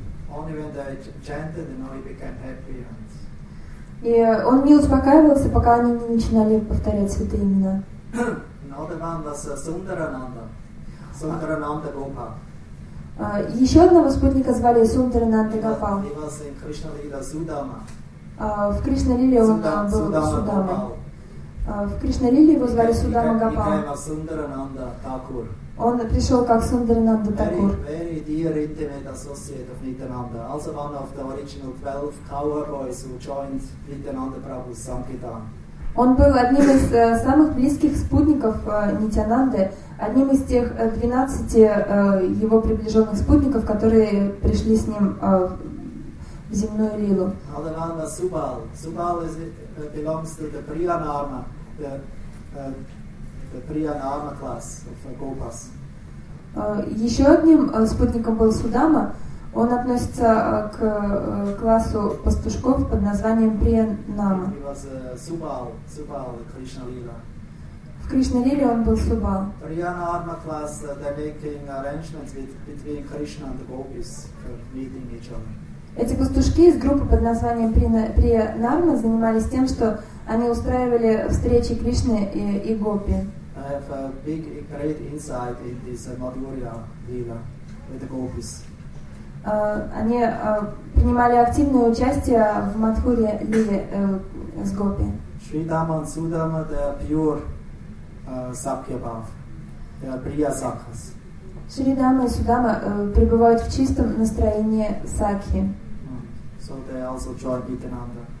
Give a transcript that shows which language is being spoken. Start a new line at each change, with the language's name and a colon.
English: Only when they chanted, you know, he became happy.
Russian: И он не успокаивался, пока они не начинали повторять святые имена.
English: Another one was Sundarananda. Sundarananda Gopal.
Russian: Еще одного спутника звали Сундарананда Гопал.
English: He was in Krishna Lila Sudama.
Russian: В Кришна Лиле он был Судама. В Кришна Лиле его звали Судама Гопал.
English: He became Sundarananda Thakur.
Russian: Он пришел как Сундарананда Такур.
English: Very dear intimate associate of Nityananda, also one of the original 12 cowboys who joined Nityananda Prabhu's Sankirtan.
Russian: Он был одним из самых близких спутников Нитянанды, одним из тех 12 его приближенных спутников, которые пришли с ним в земную лилу.
English: Another one was Subal. Subal is, belongs to the Priyanarma, the Priyanarma class of Gopas.
Russian: Еще одним спутником был Судама. Он относится к классу пастушков под названием Приянама.
English: He was Subal, Subal, Krishna Lila.
Russian: В Кришна Лиле он был Субал.
English: Priyanarma class, they're making arrangements between Krishna and the Gopis for meeting each other.
Russian: Эти пастушки из группы под названием Приянарма занимались тем, что они устраивали встречи Кришны и Гопи.
English: I have a big, great insight in this Madhurya Lila with the Gopis.
Russian: Они принимали активное участие в Мадхурья Лиле с Гопи.
English: Шри Дама и Судама, they are pure Sakya Bhav. They are Priya Sakhas.
Russian: Шри Дама и Судама пребывают в чистом настроении Сакхи.
English: So they also join Nityananda.